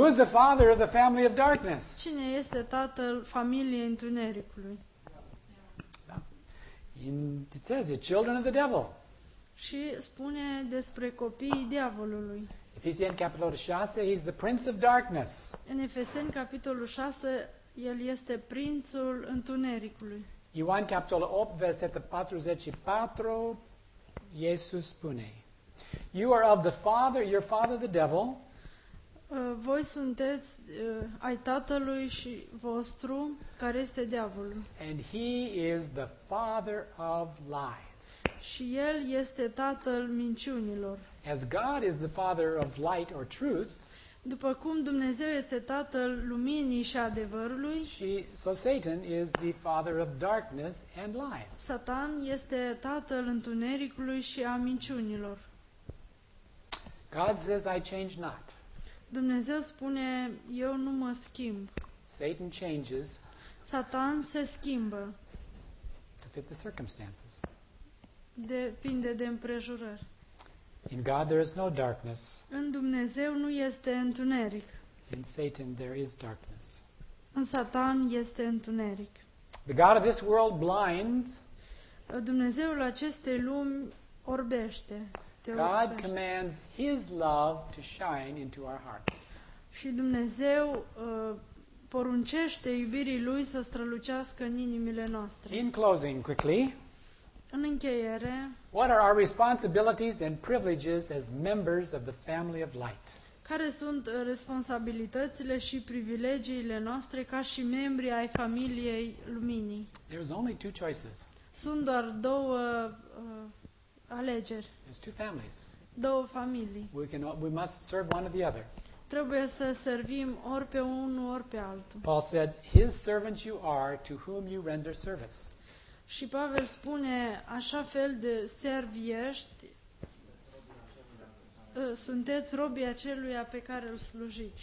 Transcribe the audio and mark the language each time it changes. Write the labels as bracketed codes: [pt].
[en] Who is the father of the family of darkness? [ro] Cine este tatăl familiei întunericului? [en] And it says the children of the devil. [ro] Și spune despre copiii diavolului. Efesien capitolul 6, [en] he's the prince of darkness. [ro] În Efesien capitolul 6, el este prințul întunericului. Ioan capitolul 8, versetul 44, Iisus spune: [en] You are of the father, your father the devil. [ro] Voi sunteți ai tatălui și vostru care este diavolul. [en] And he is the father of lies. [ro] Și el este tatăl minciunilor. [en] As God is the father of light or truth, [ro] după cum Dumnezeu este tatăl luminii și adevărului, [en] so Satan is the father of darkness and lies. [ro] Satan este tatăl întunericului și a minciunilor. [en] God says, I change not. [ro] Dumnezeu spune, eu nu mă schimb. [en] Satan changes. [ro] Satan se schimbă. [en] To fit the circumstances. [ro] Depinde de împrejurări. [en] In God there is no darkness. [ro] În Dumnezeu nu este întuneric. [en] In Satan there is darkness. [ro] În Satan este întuneric. [en] The God of this world blinds. [ro] Dumnezeul acestei lumi orbește. [en] God commands his love to shine into our hearts. [ro] Și Dumnezeu poruncește iubirii lui să strălucească în inimile noastre. [en] In closing, quickly. [ro] În încheiere. [en] What are our responsibilities and privileges as members of the family of light? [ro] Care sunt responsabilitățile și privilegiile noastre ca și membri ai familiei luminii? [en] There is only two choices. [ro] Sunt doar două alegeri. [en] There's two families. [ro] Două familii. [en] We must serve one or the other. [ro] Trebuie să servim ori pe unul, ori pe altul. [en] Paul said, "His servants you are to whom you render service." [ro] Și Pavel spune, așa fel de servi ești, sunteți robii aceluia pe care îl slujiți.